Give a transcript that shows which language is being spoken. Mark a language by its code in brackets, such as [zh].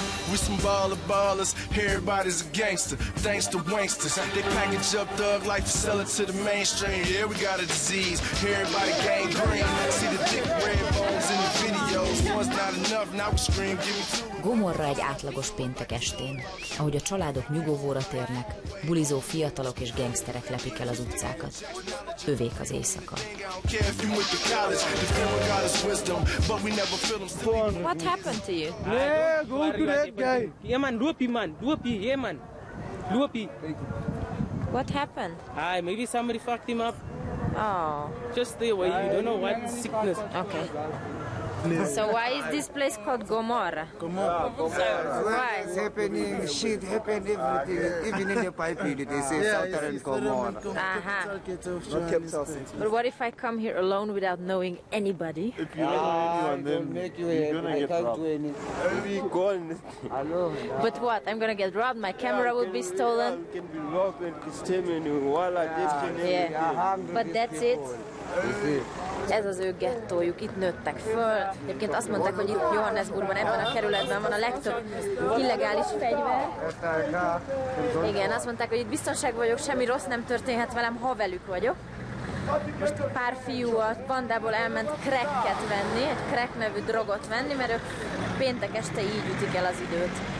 [en] We some ballers, everybody's a gangster, thanks to wanksters. They package up thug life to sell it to the mainstream. Yeah, we got a disease, everybody gangrene. See the thick red bones in the videos. One's not enough, now we scream, give me two. [hu] Gomorra egy átlagos péntek estén, ahogy a családok nyugovóra térnek, bulizó fiatalok és gengszterek lepik el az utcákat. Övék az éjszaka. [en] What happened to you? Yeah, go to that guy. Yeah man, Luopi. What happened? Aye, maybe somebody fucked him up. Oh. Just stay away, you don't know what sickness. Okay. So why is this place called Gomorra? Why? It's happening, shit happened everything, even in the pipe unit, they say Southern Gomorra. But what if I come here alone without knowing anybody? If you don't know anyone, then you're gonna get robbed. I can't do anything. Hello. But what, I'm gonna get robbed, my camera will be stolen? I can be robbed and stolen, while I just can But that's it. [hu] Ez az ő gettójuk, itt nőttek föl. Egyébként azt mondták, hogy itt Johannesburgban, ebben a kerületben van a legtöbb illegális fegyver. Igen, azt mondták, hogy itt biztonság vagyok, semmi rossz nem történhet velem, ha velük vagyok. Most pár fiú a bandából elment crack-et venni, egy crack nevű drogot venni, mert ők péntek este így ütik el az időt.